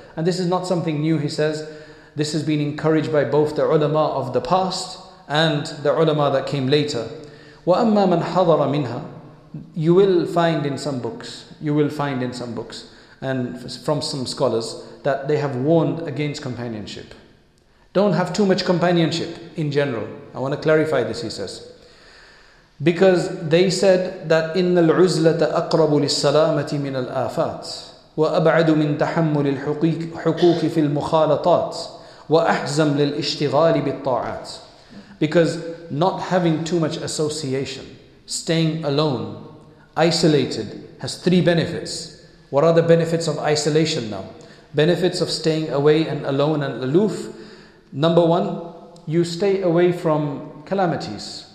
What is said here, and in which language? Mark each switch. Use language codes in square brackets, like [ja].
[en] And this is not something new, he says. This has been encouraged by both the ulama of the past and the ulama that came later. [ar] وَأَمَّا مَنْ حَضَرَ مِنْهَا. [en] You will find in some books and from some scholars that they have warned against companionship. Don't have too much companionship in general. I want to clarify this, he says. Because they said that [ar] إِنَّ الْعُزْلَةَ أَقْرَبُ لِلسَّلَامَةِ مِنَ الْآفَاتِ وَأَبْعَدُ مِنْ تَحَمُّلِ الْحُقُوكِ فِي الْمُخَالَطَاتِ وَأَحْزَمْ لِلْإِشْتِغَالِ بِالطَّاعَاتِ. [en] Because not having too much association, staying alone, isolated, has three benefits. What are the benefits of isolation now? Benefits of staying away and alone and aloof. Number one, you stay away from calamities.